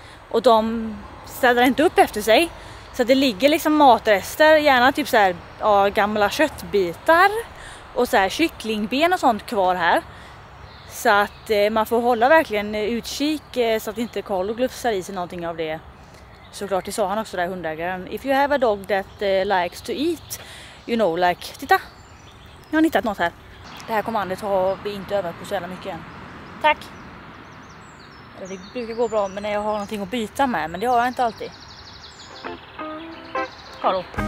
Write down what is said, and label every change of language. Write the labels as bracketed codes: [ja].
[sv] Och de städar inte upp efter sig. Så det ligger liksom matrester, gärna typ så här, ja, gamla köttbitar och så här kycklingben och sånt kvar här. Så att man får hålla verkligen utkik så att inte Carlo glufsar i sig någonting av det. Såklart, det sa han också där hundägaren. [en] If you have a dog that likes to eat, you know, like, [sv] titta. Nu har ni hittat något här. Det här kommandet har vi inte övat på så jävla mycket än. Tack. Det brukar gå bra men jag har någonting att byta med, men det har jag inte alltid. Carlo.